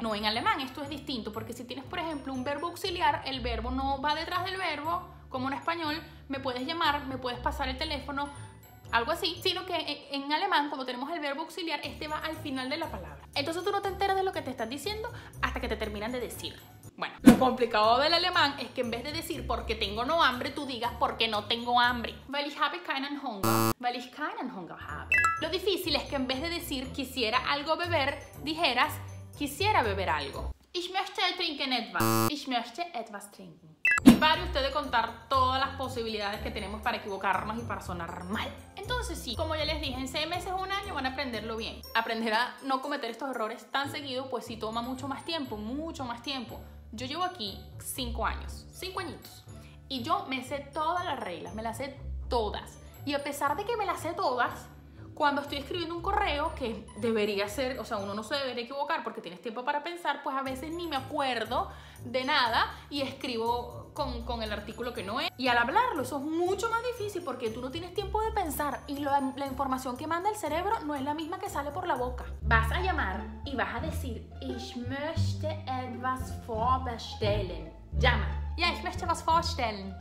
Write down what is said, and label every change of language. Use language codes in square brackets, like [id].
[es] No en alemán, esto es distinto, porque si tienes, por ejemplo, un verbo auxiliar, el verbo no va detrás del verbo, como en español, me puedes llamar, me puedes pasar el teléfono, algo así, sino que en alemán, cuando tenemos el verbo auxiliar, este va al final de la palabra. Entonces tú no te enteras de lo que te están diciendo hasta que te terminan de decir. Bueno, lo complicado del alemán es que en vez de decir porque tengo no hambre, tú digas porque no tengo hambre. [de] Weil ich habe keinen Hunger. Weil ich keinen Hunger habe. [es] Lo difícil es que en vez de decir quisiera algo beber, dijeras quisiera beber algo. [de] Ich möchte trinken etwas. Ich möchte etwas trinken. [es] Y pare usted de contar todas las posibilidades que tenemos para equivocarnos y para sonar mal. Entonces sí, como ya les dije, en 6 meses o un año van a aprenderlo bien. Aprender a no cometer estos errores tan seguido, pues sí toma mucho más tiempo, mucho más tiempo. Yo llevo aquí 5 años, 5 añitos, y yo me sé todas las reglas, me las sé todas. Y a pesar de que me las sé todas, cuando estoy escribiendo un correo, que debería ser, o sea, uno no se debería equivocar porque tienes tiempo para pensar, pues a veces ni me acuerdo de nada y escribo con el artículo que no es. Y al hablarlo, eso es mucho más difícil porque tú no tienes tiempo de pensar y la información que manda el cerebro no es la misma que sale por la boca. Vas a llamar y vas a decir, [de] ich möchte etwas vorbestellen. [es] Llama. [de] Ja, ich möchte was vorstellen.